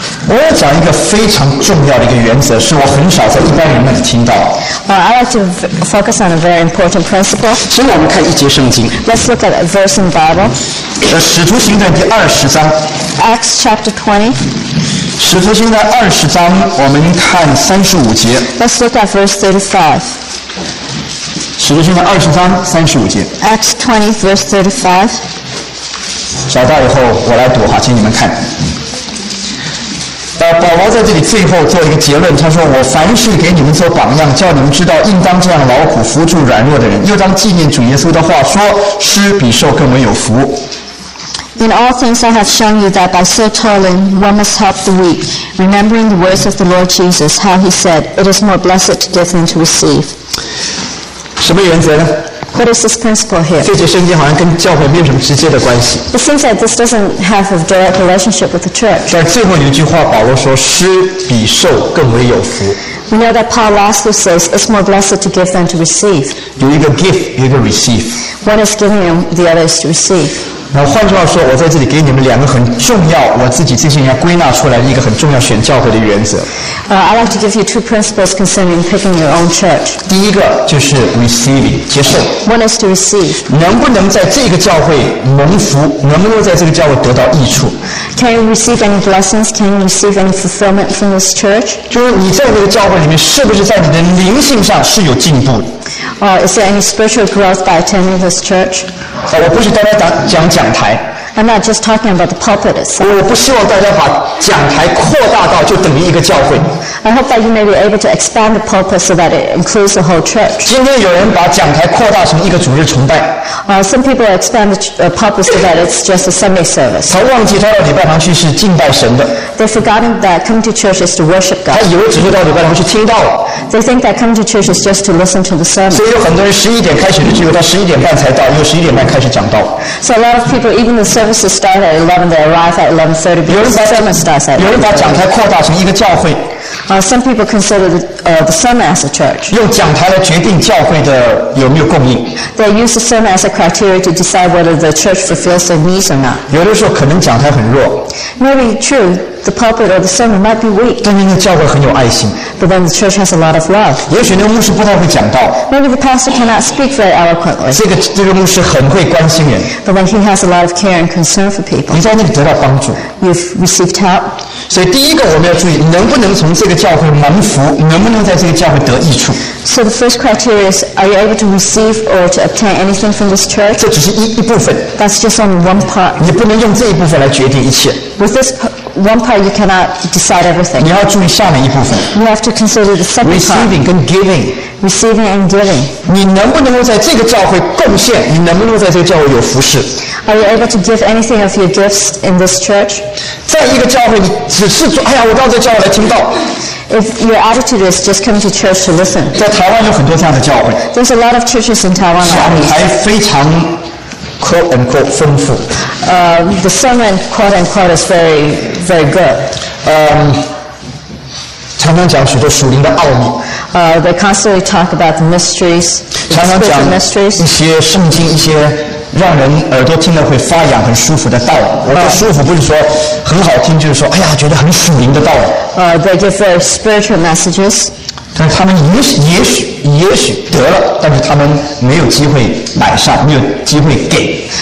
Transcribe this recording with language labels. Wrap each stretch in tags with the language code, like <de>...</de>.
<zh>我要讲一个非常重要的一个原则，是我很少在一般人那里听到。</zh> <en>I like to focus on a very important principle.</en> <zh>请我们看一节圣经。</zh> <en>Let's look at a verse in the Bible.</en> <zh>使徒行传第二十章。</zh> <en>Acts chapter 20.</en> <zh>使徒行传二十章，我们看三十五节。</zh> <en>Let's look at verse 35.</en> <zh>使徒行传二十章三十五节。</zh> <en>Acts 20, verse 35.</en> <zh>找到以后，我来读哈，请你们看。保罗在这里最后做一个结论，他说我凡事给你们做榜样，叫你们知道应当这样劳苦扶助软弱的人，又当纪念主耶稣的话说，施比受更为有福。</zh> <en>In all things I have shown you that by so toiling one must help the weak, remembering the words of the Lord Jesus, how he said, it is more blessed to give than to receive.</en> <zh>什么原则呢？</zh> <en>What is this principle here?</en> <zh>这节圣经好像跟教会没有什么直接的关系。</zh> <en>It seems that this doesn't have a direct relationship with the church.</en> <zh>但最后一句话，保罗说：“施比受更为有福。”</zh> <en>We know that Paul also says it's more blessed to give than to receive.</en> <zh>有一个 give， 有一个 receive。</zh> <en>One is giving, the other is to receive.</en> <zh>那换句话说，我在这里给你们两个很重要，我自己这些年归纳出来的一个很重要选教会的原则。</zh> <en>I'd like to give you two principles concerning picking your own church.</en> <zh>第一个就是 receiving， 接受。</zh> <en>One is to receive.</en> <zh>能不能在这个教会蒙福？能不能在这个教会得到益处</zh> <en>？Can you receive any blessings? Can you receive any fulfillment from this church?</en> <zh>就是你在这个教会里面，是不是在你的灵性上是有进步的？</zh> <en>Is there any spiritual growth by attending this church?</en> <zh>我不是单单讲讲台。</zh> <en>I'm not just talking about the pulpit itself.</en> <zh>我不希望大家把讲台扩大到就等于一个教会。</zh> <en>I hope that you may be able to expand the pulpit so that it includes the whole church.</en> <zh>今天有人把讲台扩大成一个主日崇拜。</zh> <en>Some people expand the pulpit so that it's just a Sunday service.</en> <zh>他忘记他到礼拜堂去是敬拜神的。</zh> <en>They've forgotten that coming to church is to worship God.</en> <zh>他以为只是到礼拜堂去听到。</zh> <en>They think that coming to church is just to listen to the sermon.</en> <zh>所以有很多人十一点开始的聚会，他十一点半才到，又十一点半开始讲道。</zh> <en>So a lot of people, even the services start at 11, they arrive at 11:30.</en> <zh>有人把讲台扩大成一个教会。</zh> <en>Some people consider the sermon as a church.</en> <zh>用讲台来决定教会的有没有供应。</zh> <en>They use the sermon as a criteria to decide whether the church fulfills their needs or not.</en> <zh>有的时候可能讲台很弱。</zh> <en>Maybe true, the pulpit or the sermon might be weak.</en> <zh>但因为教会很有爱心。</zh> <en>But then the church has a lot of love.</en> <zh>也许那牧师不太会讲道。</zh> <en>Maybe the pastor cannot speak very eloquently.</en> <zh>这个牧师很会关心人。</zh> <en>But then he has a lot of care and concern for people.</en> <zh>你在那里得到帮助。</zh> <en>You've received help.</en> <zh>所以第一个我们要注意，能不能从这个教会蒙福，能不能在这个教会得益处。</zh> <en>So the first criteria is, are you able to receive or to obtain anything from this church?</en> <zh>这只是一部分。</zh> <en>That's just on one part.</en> <zh>你不能用这一部分来决定一切。</zh> <en>With this one part, you cannot decide everything.</en> <zh>你要注意下面一部分。</zh> <en>You have to consider the second part. Receiving 跟 giving. Receiving and giving.</en> <zh>你能不能够在这个教会贡献？你能不能够在这个教会有服事</zh> <en>？Are you able to give anything of your gifts in this church?</en> <zh>在一个教会，你只是说，哎呀，我到这教会来听道。</zh> <en>If your attitude is just coming to church to listen.</en> <zh>在台湾有很多这样的教会。</zh> <en>There's a lot of churches in Taiwan.</en> <zh>讲台非常</zh> <en>quote unquote</en> <zh>丰富。</zh> <en>The sermon quote unquote is very very good.</en> <zh>常常讲许多属灵的奥秘。</zh> <en>They constantly talk about the mysteries, spiritual mysteries.</en> <zh>一些圣经一些让人耳朵听了会发痒很舒服的道。我说舒服不是说很好听，就是说哎呀觉得很属灵的道。</zh> <en>They give very spiritual messages.</en> <zh>但他们也许得了，但是他们没有机会买上，没有机会给。</zh>